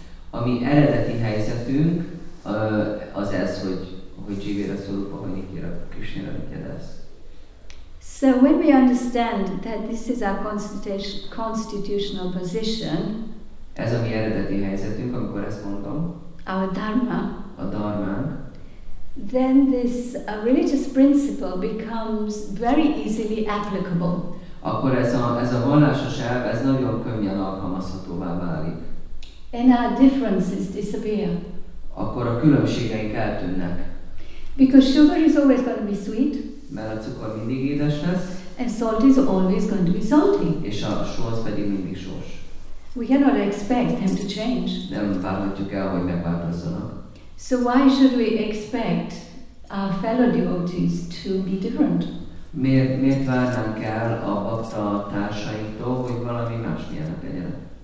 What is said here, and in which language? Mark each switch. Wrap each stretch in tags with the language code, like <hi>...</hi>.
<hu>Ami eredeti helyzetünk az ez, hogy Jivena Swarup, hogy Nityara Krishna Das.</hu> <en>So when we understand that this is our constitutional position,</en> <hu>ez a mi eredeti helyzetünk, amikor ezt mondom,</hu> <en>our dharma,</en> <hu>a dharmánk,</hu> <en>then this religious principle becomes very easily applicable.</en> <hu>Akkor ez a vallásos elv, ez nagyon könnyen alkalmazhatóvá válik.</hu> <en>And our differences disappear.</en> <hu>Akkor a különbségeink eltűnnek.</hu> <en>Because sugar is always going to be sweet.</en> <hu>Mert a cukor mindig édes lesz.</hu> <en>And salt is always going to be salty.</en> <hu>És a só az pedig mindig sós.</hu> <en>We cannot expect him to change.</en> <hu>Nem várhatjuk el, hogy megváltozzanak.</hu> <en>So why should we expect our fellow devotees to be different?</en> <hu>Miért várnánk el a bhakta társaitól, hogy valami más miért legyen?</hu>